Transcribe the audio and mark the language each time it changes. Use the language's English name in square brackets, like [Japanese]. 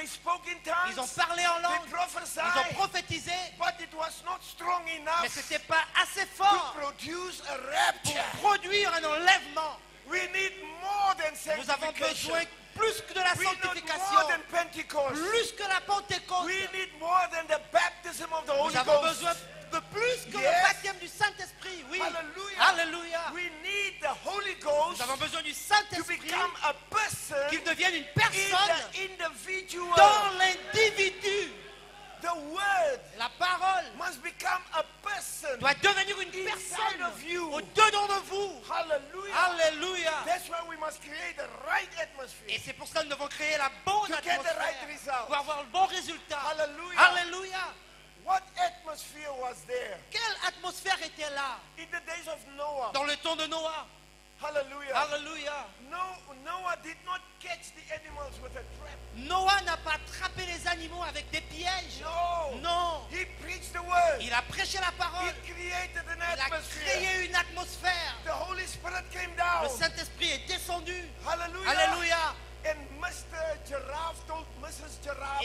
[English] They spoke in tongues. [French] Ils ont parlé en langue. [English] They prophesied. [French] Ils ont prophétisé. [English] But it was not strong enough. [French] Mais c'était pas assez fort. [English] To produce a rapture. [French] Pour produire un enlèvement. [English] We need more than sanctification. [French] Nous avons besoin plus que de la sanctification. [English] We need more than [French] plus que la Pentecôte. [English] We need more than the baptism of the Holy [French] Ghost. Nous avons [English] Ghost. [French] Besoin de plus que yes. le baptême du Saint-Esprit. Oui. Hallelujah. Hallelujah. [English] We need the Holy Ghost. [French] Nous avons besoin du Saint-Esprit. [English] To become a person. [French] Qu'il devienne une personne. [English] In the individual. [French] Dans l'individu. [English] The word. [French] La parole. [English] Must become a person. [French] Doit devenir une personne. [English] Inside of you. [French] Au-dedans de vous. Hallelujah. Hallelujah. [English] That's why we must create the right atmosphere. [French] Et c'est pour cela que nous devons créer la bonne [English] to [French] atmosphère. [English] Get the right result. [French] Pour avoir le bon résultat. Hallelujah. Hallelujah. [English] What atmosphere was there? [French] Quelle atmosphère était là? [English] In the days of Noah. [French] Dans le temps de Noah. Hallelujah. Hallelujah. [English] No, Noah did not catch the animals with a trap. [French] Noah n'a pas attrapé les animaux avec des pièges. [English] No. [French] Non. [English] He preached the word. [French] Il a prêché la parole. [English] He created an atmosphere. [French] Il a créé une atmosphère. [English] The Holy Spirit came down. [French] Le Saint-Esprit est descendu. Hallelujah. Hallelujah. [English] And Mr. Giraffe told Mrs. Giraffe.